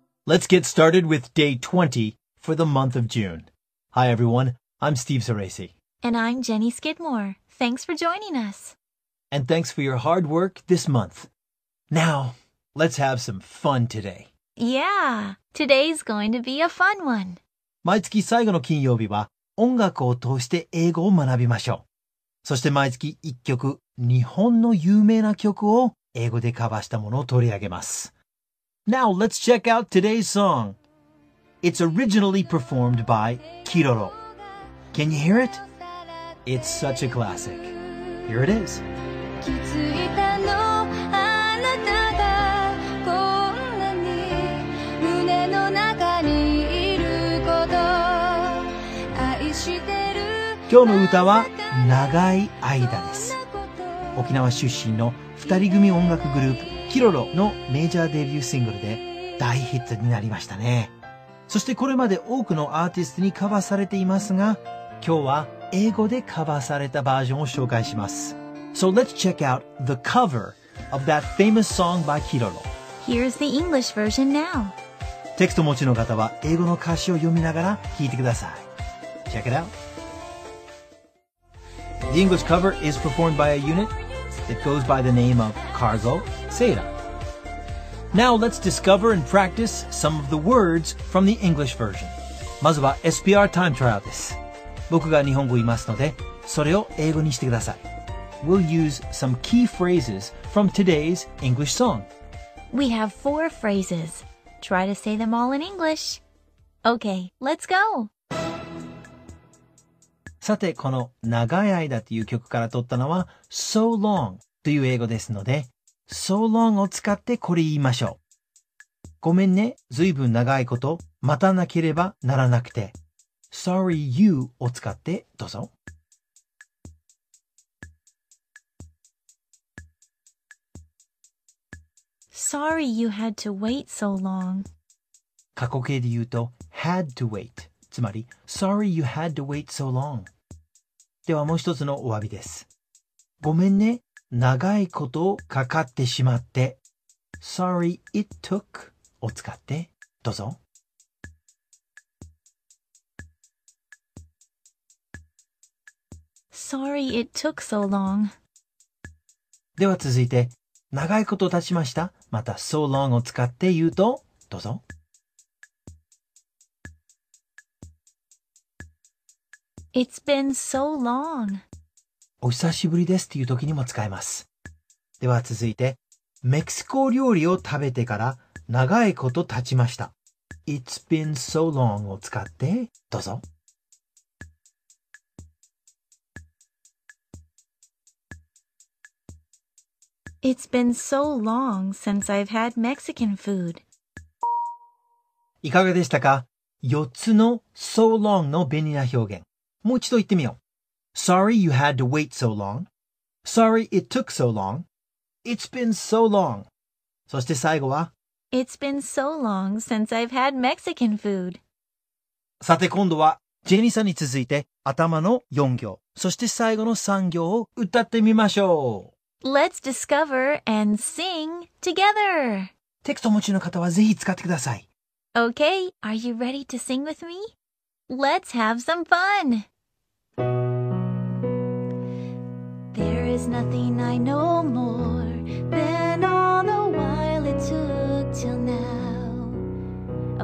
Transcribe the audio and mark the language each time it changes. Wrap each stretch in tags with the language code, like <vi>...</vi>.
<en>Let's get started with day 20 for the month of June. Hi everyone, I'm Steve Ceresi. And I'm Jenny Skidmore. Thanks for joining us. And thanks for your hard work this month. Now, let's have some fun today. Yeah, today's going to be a fun one.</en> <ja>毎月最後の金曜日は音楽を通して英語を学びましょう。そして毎月一曲、日本の有名な曲を英語でカバーしたものを取り上げます。</ja> <en>Now, let's check out today's song. It's originally performed by Kiroro. Can you hear it? It's such a classic. Here it is.</en> <ja>気づいたの、あなたがこんなに胸の中にいること愛してる。今日の歌は長い間です。沖縄出身の二人組音楽グループキロロのメジャーデビューシングルで大ヒットになりましたね。そしてこれまで多くのアーティストにカバーされていますが、今日は英語でカバーされたバージョンを紹介します。</ja> <en>So let's check out the cover of that famous song by Kiroro. Here's the English version now.</en> <ja>テキスト持ちの方は英語の歌詞を読みながら聞いてください。</ja> <en>Check it out. The English cover is performed by a unit that goes by the name of Cargo Seira. Now let's discover and practice some of the words from the English version.</en> <ja>まずは SPR Time Trial です。僕が日本語いますので、それを英語にしてください。</ja> <en>We'll use some key phrases from today's English song. We have four phrases. Try to say them all in English. Okay, let's go!</en> <ja>さて、この長い間という曲から取ったのは</ja> <en>So long</en> <ja>という英語ですので So long を使ってこれ言いましょう。ごめんね、ずいぶん長いこと待たなければならなくて</ja> <en>Sorry you</en> <ja>を使ってどうぞ。</ja> <en>Sorry you had to wait so long.</en> <ja>過去形で言うと</ja> <en>had to wait.</en> <ja>つまり</ja> <en>Sorry you had to wait so long.</en> <ja>ではもう一つのお詫びです。ごめんね、長いことかかってしまって</ja> <en>Sorry it took</en> <ja>を使ってどうぞ。</ja> <en>Sorry it took so long.</en> <ja>では続いて長いこと経ちました。また</ja> <en>so long</en> <ja>を使って言うとどうぞ。</ja> <en>It's been so long.</en> <ja>お久しぶりですという時にも使えます。では続いてメキシコ料理を食べてから長いこと経ちました。</ja> <en>It's been so long</en> <ja>を使ってどうぞ。</ja> <en>It's been so long since I've had Mexican food.</en> <ja>いかがでしたか ?4 つの</ja> <en>so long</en> <ja>の便利な表現。もう一度言ってみよう。</ja> <en>Sorry you had to wait so long. Sorry it took so long. It's been so long.</en> <ja>そして最後は</ja> <en>It's been so long since I've had Mexican food.</en> <ja>さて今度はジェニーさんに続いて頭の4行、そして最後の3行を歌ってみましょう。</ja> <en>Let's discover and sing together.</en> <ja>テキスト持ちの方はぜひ使ってください。</ja> <en>Okay, are you ready to sing with me? Let's have some fun! There is nothing I know more than all the while it took till now.</en>